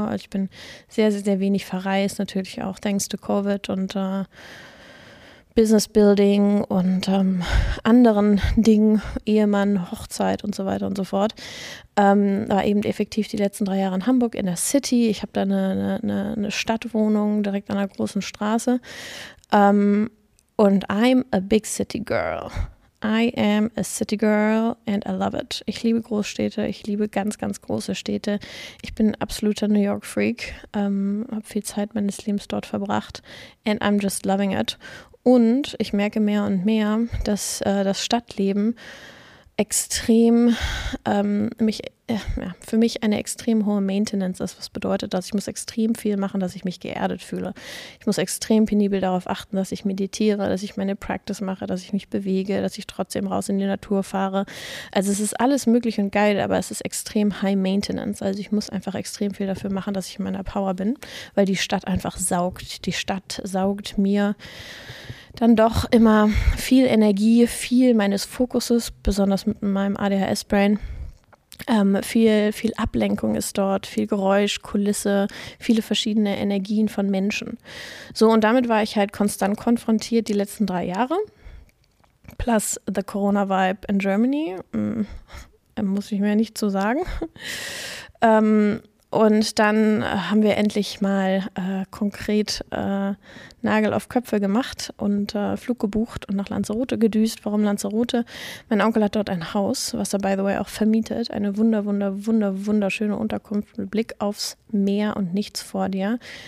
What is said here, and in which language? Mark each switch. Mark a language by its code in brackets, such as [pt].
[de] Also ich bin sehr, sehr, sehr wenig verreist, natürlich auch [en] thanks to [de] Covid und Business Building und anderen Dingen, Ehemann, Hochzeit und so weiter und so fort. War eben effektiv die letzten 3 Jahre in Hamburg, in der City. Ich habe da eine Stadtwohnung direkt an einer großen Straße. Und [en] I'm a big city girl. I am a city girl and I love it. [de] Ich liebe Großstädte, ich liebe ganz, ganz große Städte. Ich bin ein absoluter New York Freak, habe viel Zeit meines Lebens dort verbracht [en] and I'm just loving it. [de] Und ich merke mehr und mehr, dass das Stadtleben extrem für mich eine extrem hohe Maintenance ist, was bedeutet, dass ich muss extrem viel machen, dass ich mich geerdet fühle. Ich muss extrem penibel darauf achten, dass ich meditiere, dass ich meine Practice mache, dass ich mich bewege, dass ich trotzdem raus in die Natur fahre. Also es ist alles möglich und geil, aber es ist extrem high maintenance. Also ich muss einfach extrem viel dafür machen, dass ich in meiner Power bin, weil die Stadt einfach saugt. Die Stadt saugt mir dann doch immer viel Energie, viel meines Fokuses, besonders mit meinem ADHS-Brain. Viel Ablenkung ist dort, viel Geräusch, Kulisse, viele verschiedene Energien von Menschen. So, und damit war ich halt konstant konfrontiert die letzten 3 Jahre. [en] Plus the Corona-Vibe in Germany. [de] Muss ich mir nicht so sagen. Und dann haben wir endlich mal konkret Nagel auf Köpfe gemacht und Flug gebucht und nach Lanzarote gedüst. Warum Lanzarote? Mein Onkel hat dort ein Haus, was er [en] by the way [de] auch vermietet. Eine wunderschöne Unterkunft mit Blick aufs Meer und nichts vor dir.